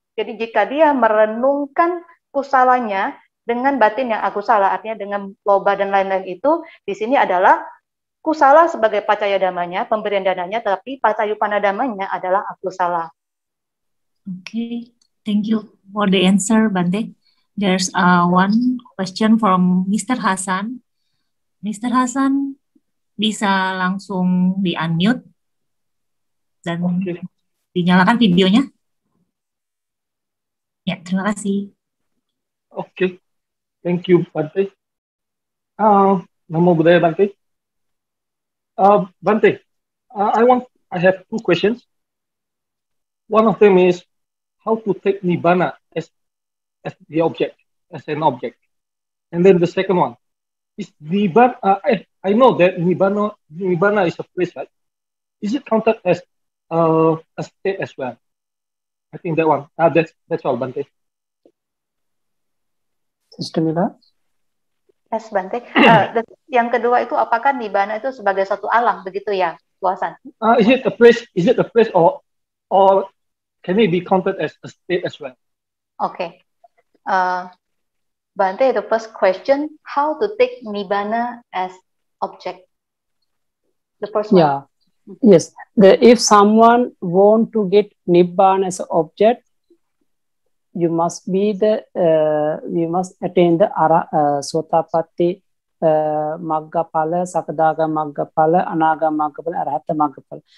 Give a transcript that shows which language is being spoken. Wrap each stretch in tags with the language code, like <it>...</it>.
<id>Jadi jika dia merenungkan kusalanya, dengan batin yang aku salah, artinya dengan loba dan lain-lain itu, di sini adalah ku salah sebagai pacaya damanya, pemberian dananya, tapi pacayu pana damanya adalah aku salah.</id> <en>Okay, thank you for the answer, Bante. There's one question from Mr. Hasan. Mr.</en> <id>Hasan, bisa langsung di-unmute dan dinyalakan videonya? Ya, terima kasih.</id> <en>Okay. Thank you, Bante. Namo Buddhaya, Bante. Bante, I have two questions. One of them is how to take Nibbana as the object, as an object. And then the second one is Nibbana. I know that Nibbana is a place, right? Is it counted as a state as well? I think that one. That's all, Bante. Sister Mila? Yes, Bante.</en> <id>Yang kedua itu apakah Nibbana itu sebagai satu alam begitu ya, luasan?</id> <en>Is it a place? Is it a place or can it be counted as a state as well? Okay. Bante, the first question, how to take Nibbana as object? The first one. Yeah. Yes. If someone want to get Nibbana as object, you must be the you must attain the sotapatti maggapala, sakadaga maggapala, anaga maggapala, arahata maggapala.</en>